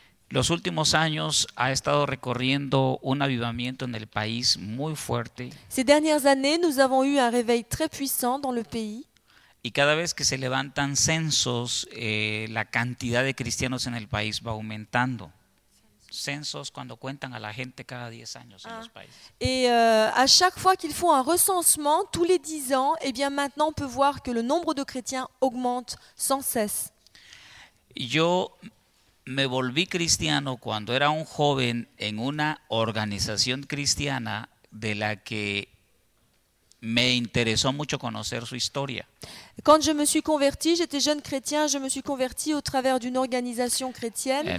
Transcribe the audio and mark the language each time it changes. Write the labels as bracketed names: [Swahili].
[Spanish] Los últimos años ha estado recorriendo un avivamiento en el país muy fuerte. [French] Ces dernières années, nous avons eu un réveil très puissant dans le pays. [Spanish] Y cada vez que se levantan censos, la cantidad de cristianos en el país va aumentando. Censos cuando cuentan a la gente cada 10 años en los países. [French] Et à chaque fois qu'ils font un recensement tous les 10 ans, eh bien maintenant on peut voir que le nombre de chrétiens augmente sans cesse. [Spanish] Yo me volví cristiano cuando era un joven en una organización cristiana de la que me interesó mucho conocer su historia. [French] Quand je me suis converti, j'étais jeune chrétien, je me suis converti au travers d'une organisation chrétienne.